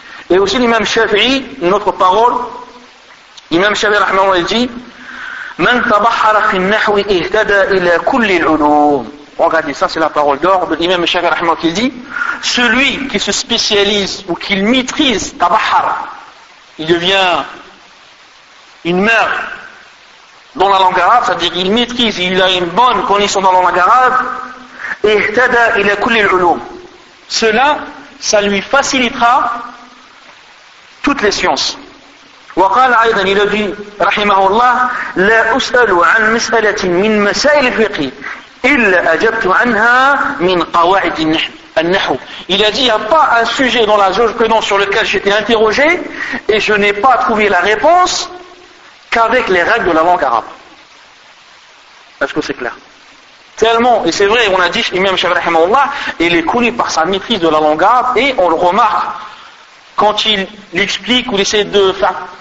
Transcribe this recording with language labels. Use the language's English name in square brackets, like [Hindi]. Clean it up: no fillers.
[French] Et aussi l'imam Shafi'i, une autre parole, l'imam Shafi'i, rahmallahu alayhi, [Arabic] من تبحر في النحو اهتدى الى كل العلوم. [French] Regardez, ça c'est la parole d'or de l'imam Shafi'i Rahimah qui dit, celui qui se spécialise ou qui maîtrise tabahhar, il devient une mère dans la langue arabe, c'est-à-dire il maîtrise, il a une bonne connaissance dans la langue arabe, et [Arabic] ihtada ila kulli al-ulum. [French] Cela, ça lui facilitera toutes les sciences. [Arabic] وقال أيضا إلى ذي رحمه الله لا أسأل عن مسألة من مسائل الفقه إلا أجبت عنها من قواعد النحو. [French] Il a dit, il n'y a pas un sujet dans la jurisprudence sur lequel j'étais interrogé et je n'ai pas trouvé la réponse qu'avec les règles de la langue arabe. Est-ce que c'est clair? Tellement, et c'est vrai, on a dit, Imam Shafi'i Rahimahullah, il est connu par sa maîtrise de la langue arabe et on le remarque quand il explique ou essaie de faire.